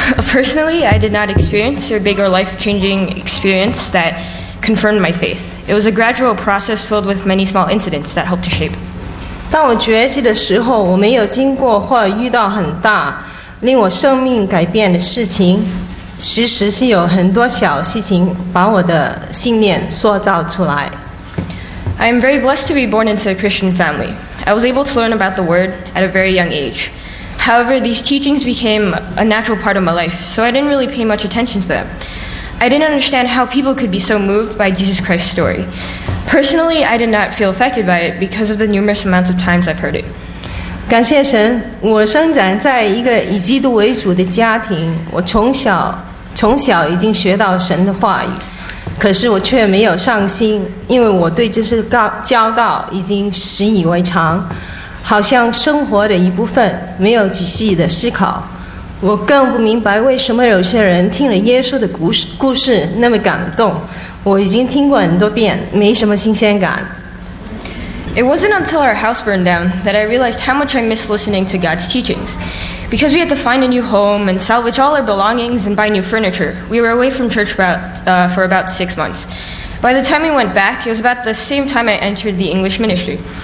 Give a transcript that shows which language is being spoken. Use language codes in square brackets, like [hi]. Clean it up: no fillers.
[en] Personally, I did not experience a big or life-changing experience that confirmed my faith. It was a gradual process filled with many small incidents that helped to shape. [zh] 当我觉知的时候，我没有经过或遇到很大令我生命改变的事情，其实是有很多小事情把我的信念塑造出来。 [en] I am very blessed to be born into a Christian family. I was able to learn about the word at a very young age. However, these teachings became a natural part of my life, so I didn't really pay much attention to them. I didn't understand how people could be so moved by Jesus Christ's story. Personally, I did not feel affected by it because of the numerous amounts of times I've heard it. [zh] 感谢神，我生长在一个以基督为主的家庭，我从小已经学到神的话语。可是我却没有上心，因为我对这些教导已经习以为常，好像生活的一部分，没有仔细的思考。我更不明白为什么有些人听了耶稣的故事那么感动。我已经听过很多遍，没什么新鲜感。 [en] It wasn't until our house burned down that I realized how much I missed listening to God's teachings. Because we had to find a new home and salvage all our belongings and buy new furniture, we were away from church for about 6 months. By the time we went back, it was about the same time I entered the English ministry.